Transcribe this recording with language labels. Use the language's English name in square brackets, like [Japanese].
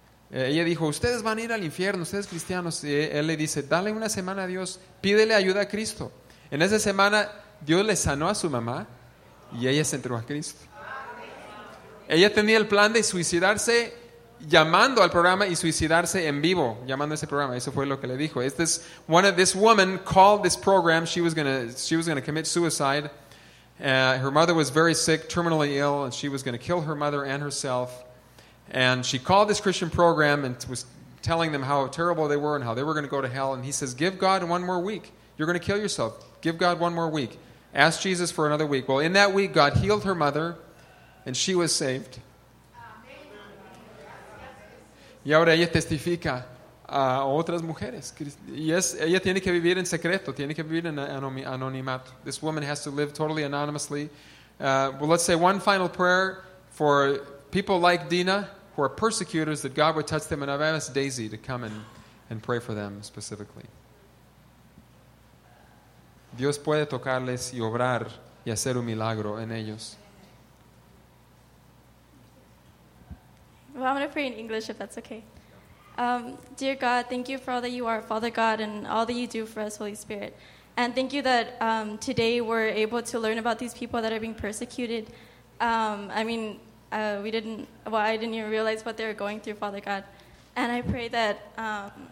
[Spanish] Ella dijo, ustedes van a ir al infierno, ustedes cristianos. Y él le dice, dale una semana a Dios, pídele ayuda a Cristo. En esa semana, Dios le sanó a su mamá y ella se entregó a Cristo. Ella tenía el plan de suicidarse llamando al programa y suicidarse en vivo, llamando a ese programa. Eso fue lo que le dijo. [English] This woman called this program, she was gonna commit suicide. Her mother was very sick, terminally ill, and she was gonna kill her mother and herself. And she called this Christian program and was telling them how terrible they were and how they were going to go to hell. And he says, give God one more week. You're going to kill yourself. Give God one more week. Ask Jesus for another week. Well, in that week, God healed her mother and she was saved. [Spanish] Y ahora ella testifica a otras mujeres. Y ella tiene que vivir en secreto. Tiene que vivir en anonimato. [English] This woman has to live totally anonymously. Well, let's say one final prayer for people like Dina, who are persecutors, that God would touch them, and I've asked Daisy to come and pray for them specifically. [Spanish] Dios puede tocarles y obrar y hacer un milagro en ellos. [English] Well, I'm going to pray in English, if that's okay. Dear God, thank you for all that you are, Father God, and all that you do for us, Holy Spirit. And thank you that today we're able to learn about these people that are being persecuted. I didn't even realize what they were going through, Father God. And I pray that